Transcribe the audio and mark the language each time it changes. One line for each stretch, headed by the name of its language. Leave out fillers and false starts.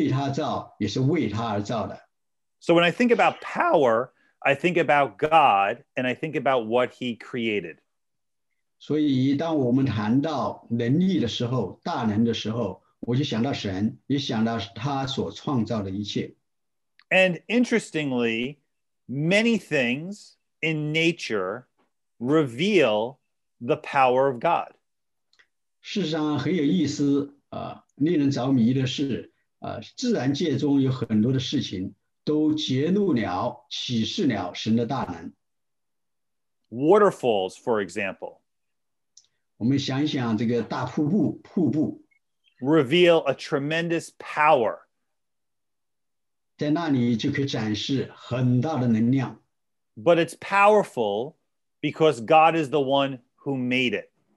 Chinese: 在圣经上说，万物都是借着他造的，无论是在天上的，在地上的，看得见的，看不见的，所有的事情，所有的一切都是被他造，也是为他而造的。
English: So when I think about power, I think about God, and I think about what he created.
Chinese: 所以当我们谈到能力的时候，大能的时候，我就想到神，也想到他所创造的一切。
English: And interestingly, many things in nature reveal the power of God.
Chinese: 事实上很有意思，令人着迷的是，自然界中有很多的事情。都揭露了，启示了神的大能。
English: Waterfalls, for example,
Chinese: 我们想一想这个大瀑布，
English: reveal a tremendous power.
Chinese: 在那里就可以展示很大的能量。
English: But it's powerful because God is the one who made it.